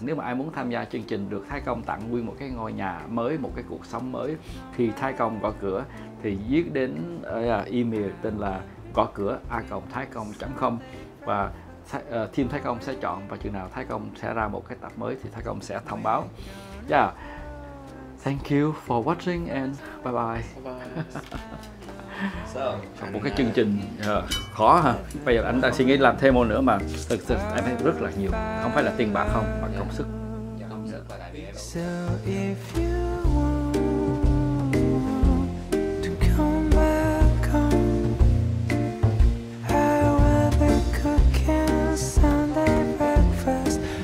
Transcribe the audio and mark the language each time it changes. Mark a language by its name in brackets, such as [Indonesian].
[Vietnamese] Nếu mà ai muốn tham gia chương trình được Thái Công tặng nguyên một cái ngôi nhà mới, một cái cuộc sống mới, thì Thái Công gõ cửa, thì viết đến email tên là gocua@thaicong.com. Và team Thái Công sẽ chọn, và chừng nào Thái Công sẽ ra một cái tập mới thì Thái Công sẽ thông báo. [English] Thank you for watching and bye bye. [Vietnamese] So, một cái chương trình khó hả? Bây giờ anh đang suy nghĩ làm thêm một nữa mà thực em thấy rất là nhiều, không phải là tiền bạc không, mà công sức. [English] So if you want to come back home, I will be cooking Sunday breakfast.